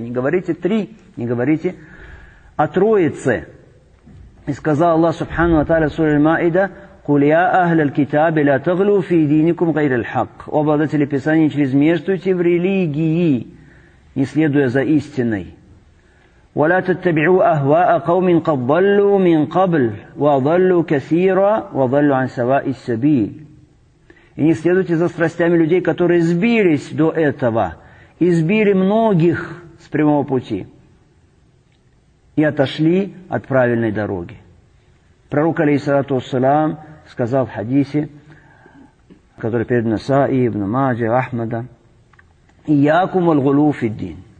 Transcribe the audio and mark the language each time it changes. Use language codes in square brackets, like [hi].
[ru] Не говорите три, не говорите о Троице. И сказал Аллах Субхану ва Тааля сура Аль-Маида: [ar] «Кул я ахля аль-китаби ля таглю фи динкум гайр аль-хак». [ru] О обладатели Писания, не чрезмерствуйте в религии, не следуя за истиной. [ar] ولا تتبعوا اهواء قوم قد ضلوا من قبل وضلوا كثيرا وضلوا عن سواء السبيل. [ru] И не следуйте за страстями людей, которые сбились до этого, и сбили многих с прямого пути, и отошли от правильной дороги. Пророк [ar] алейхиссалату вассалам [ru] сказал в хадисе, который перед Насаи, ибн Маджа, Ахмада: [ar] «Иякум аль-гулу фид-дин».